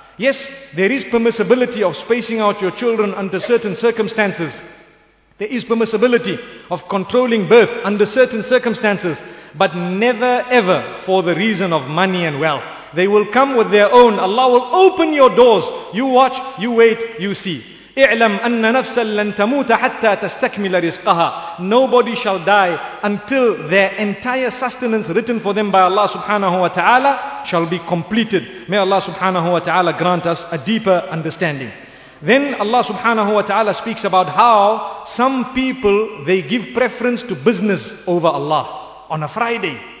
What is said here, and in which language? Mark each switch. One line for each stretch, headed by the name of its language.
English: Yes, there is permissibility of spacing out your children under certain circumstances. There is permissibility of controlling birth under certain circumstances, but never ever for the reason of money and wealth. They will come with their own. Allah will open your doors. You watch, you wait, you see.
Arabic: اعلم أن نفسا لن تموت حتى تستكمل رزقها.
English: Nobody shall die until their entire sustenance written for them by Allah subhanahu wa ta'ala shall be completed. May Allah subhanahu wa ta'ala grant us a deeper understanding. Then Allah subhanahu wa ta'ala speaks about how some people, they give preference to business over Allah on a Friday.